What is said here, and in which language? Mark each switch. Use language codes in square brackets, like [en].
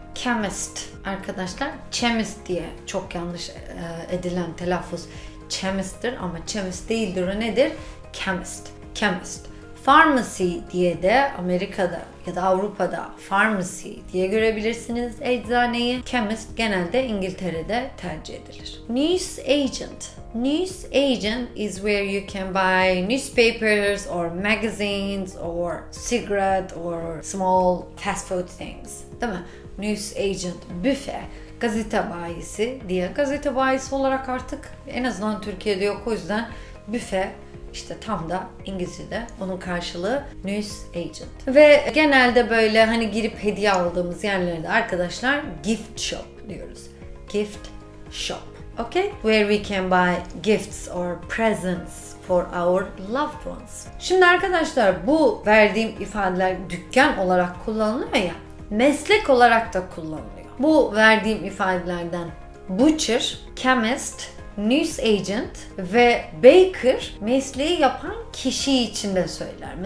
[tr] Chemist arkadaşlar, chemist diye çok yanlış edilen telaffuz chemist'tir ama chemist değildir o nedir? Chemist. Chemist. Pharmacy diye de Amerika'da ya da Avrupa'da pharmacy diye görebilirsiniz eczaneyi. Chemist genelde İngiltere'de tercih edilir. News agent. [en] News agent is where you can buy newspapers or magazines or cigarette or small fast food things. [tr] Değil mi? News agent, büfe, gazete bayisi diye. Gazete bayisi olarak artık en azından Türkiye'de yok. O yüzden büfe İşte tam da İngilizce'de onun karşılığı news agent. Ve genelde böyle hani girip hediye aldığımız yerlerde arkadaşlar gift shop diyoruz. [en] Gift shop. Okay? Where we can buy gifts or presents for our loved ones. [tr] Şimdi arkadaşlar bu verdiğim ifadeler dükkan olarak kullanılıyor ya, meslek olarak da kullanılıyor. Bu verdiğim ifadelerden butcher, chemist, news agent ve baker mesleği yapan kişi için de söyler.